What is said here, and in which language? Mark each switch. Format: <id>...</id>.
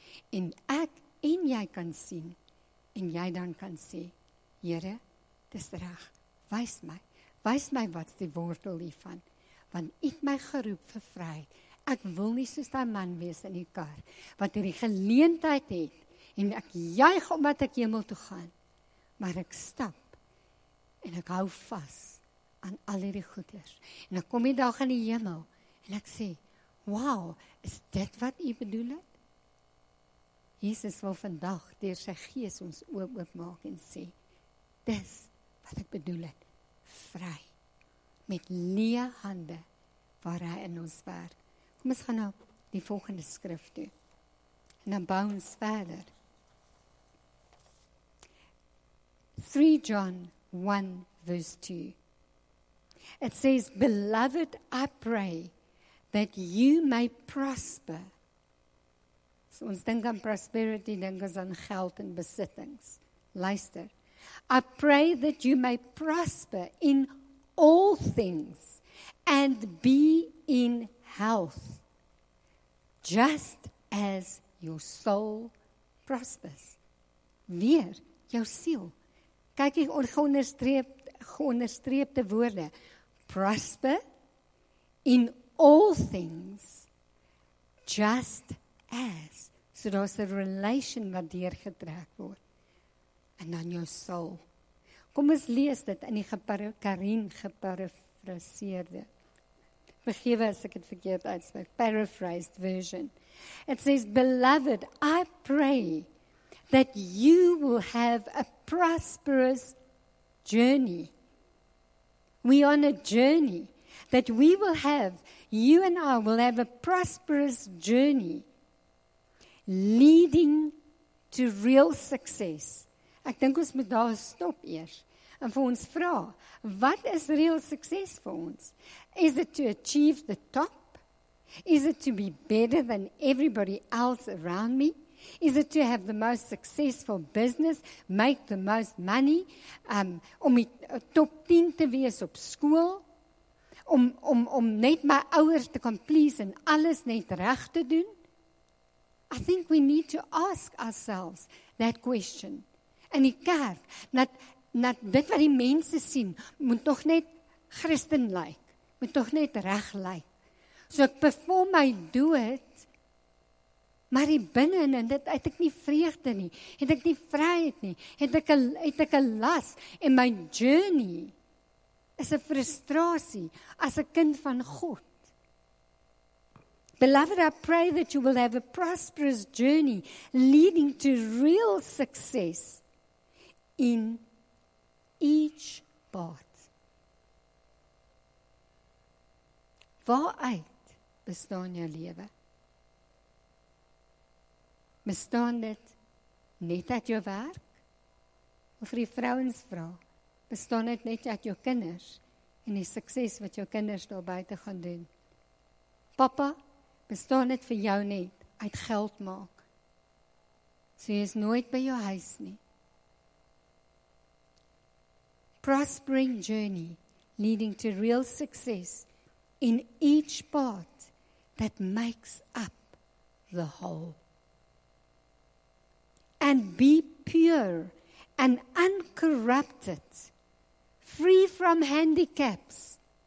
<af>En ek en jy kan sien en jy dan kan sê, Here, dis reg, wys my. Wys my wat die wortel hiervan, want U het my geroep vir vryheid. Ek wil nie soos daai man wees in die kar, wat hierdie geleentheid het en ek juig omdat ek hemel toe gaan. Maar ek stap en ek hou vas aan al hierdie goeders. En ek kom die dag in die hemel en ek sê, wow, is dit wat U bedoel het? Jesus wil vandag deur sy gees ons oop maak en sê, dis wat ek bedoel het, vry, met leë hande waar hy in ons werk. Kom ons gaan na die volgende skrif toe en dan bou ons verder.</af> <en>3 John 1 verse 2. It says, Beloved, I pray that you may prosper.</en> <af>So ons dink aan prosperity, dink ons aan geld en besittings. Luister.</af> <en>I pray that you may prosper in all things and be in health, just as your soul prospers.</en> <af>Weer, jou siel. Kyk hier geonderstreepte woorde.</af> <en>Prosper in all things, just as.</en> <af>So daar is 'n relation wat deurgetrek word. En dan jou soul. Kom ons lees dit in die geparafraseerde. Vergewe as ek het verkeerd uitspreek.</af> <en>Paraphrased version. It says, beloved, I pray that you will have a prosperous journey. We are on a journey that we will have, you and I will have a prosperous journey leading to real success.</en> <af>Ek dink ons moet daar stop eers en vir ons vra, wat is real success vir ons?</af> <en>Is it to achieve the top? Is it to be better than everybody else around me? Is it to have the most successful business, make the most money,</en> <af>om die top 10 te wees op school, om net my ouers te kan please en alles net reg te doen?</af> <en>I think we need to ask ourselves that question.</en> <af>In die kerk, dat dit wat die mense sien, moet toch net Christen lyk, moet toch net reg lyk. So ek perform my dood, maar die binnen, en dit het ek nie vreugde nie, het ek nie vryheid nie, het ek een las, en my journey is een frustrasie as 'n kind van God.</af> <en>Beloved, I pray that you will have a prosperous journey leading to real success in each part.</en> <af>Waaruit bestaan jou lewe? Bestaan dit net uit jou werk? Of die vrouens vra, bestaan dit net uit jou kinders en die sukses wat jou kinders daar buite gaan doen? Papa, bestaan dit vir jou net uit geld maak? So jy is nooit by jou huis nie.</af> <en>Prospering journey leading to real success in each part that makes up the whole. And be pure and uncorrupted, free from handicaps.</en>